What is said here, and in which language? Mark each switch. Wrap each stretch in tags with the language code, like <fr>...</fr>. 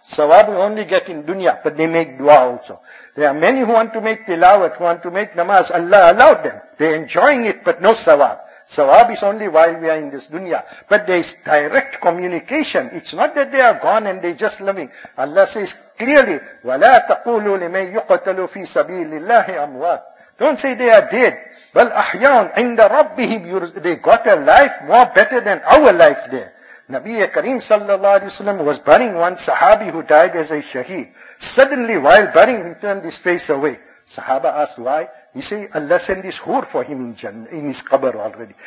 <en>Sawab is only get in dunya, but they make dua also. There are many who want to make tilawat, who want to make namaz. Allah allowed them. They're enjoying it, but no sawab. Sawab is only while we are in this dunya. But there is direct communication. It's not that they are gone and they're just living. Allah says clearly,</en> <ar>وَلَا تَقُولُوا لِمَنْ يُقْتَلُوا فِي سَبِيلِ اللَّهِ أَمْوَاتٌ.</ar> <en>Don't say they are dead. Well,</en> <ar>ahyaun inda rabbihim,</ar> <en>they got a life more better than our life there. Nabiya Kareem sallallahu alayhi wa sallam was burying one sahabi who died as a shaheed. Suddenly while burying, he turned his face away. Sahaba asked why. He said, Allah sent his hoor for him in his qabr already.</en>